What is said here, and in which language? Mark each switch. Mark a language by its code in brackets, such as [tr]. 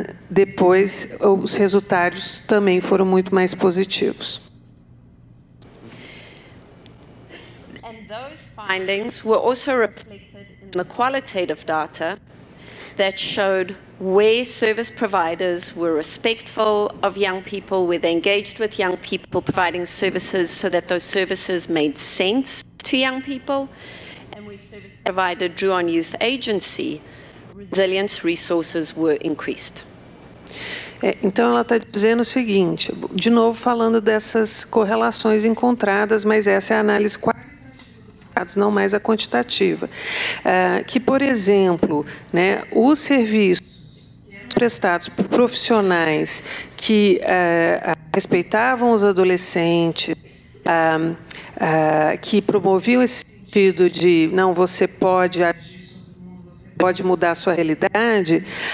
[pt] Depois os resultados também foram muito mais positivos. [en] those findings were also reflected in the qualitative data that showed where service providers were respectful of young people, where they engaged with young people providing services so that those services made sense to young people, and where service provider drew on youth agency, resilience resources were increased. [pt] É, então, ela está dizendo o seguinte, de novo falando dessas correlações encontradas, mas essa é a análise qualitativa dos dados, não mais a quantitativa. Que, por exemplo, né, o serviço prestados por profissionais que respeitavam os adolescentes, que promoviam esse sentido de não, você pode agir, você pode mudar a sua realidade,